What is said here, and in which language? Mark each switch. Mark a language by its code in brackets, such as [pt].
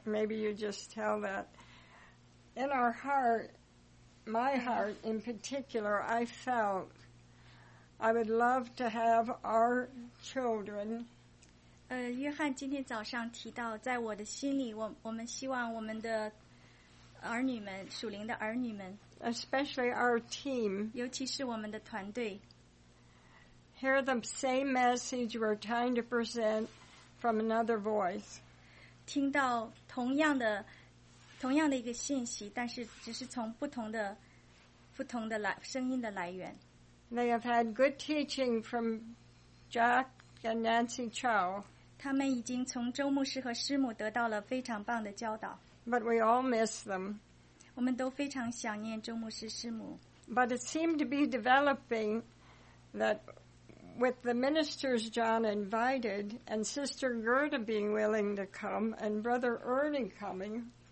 [en] Maybe you just tell that. In our heart, my heart in particular, I felt I would love to have our children. [zh] 约翰今天早上提到 在我的心里, 我们希望我们的儿女们, 属灵的儿女们, [en] especially our team, [zh] 尤其是我们的团队, [en] hear the same message we're trying to present from another voice. [zh] 听到同样的, 同样的一个信息, 但是只是从不同的来, 声音的来源。 [en] They have had good teaching from Jack and Nancy Chow. [zh] 他们已经从周牧师和师母得到了非常棒的教导。 [en] But we all miss them. [zh] 我们都非常想念周牧师师母。But [en] it seemed to be developing that with the ministers John invited and Sister Gerda being willing to come and Brother Ernie coming.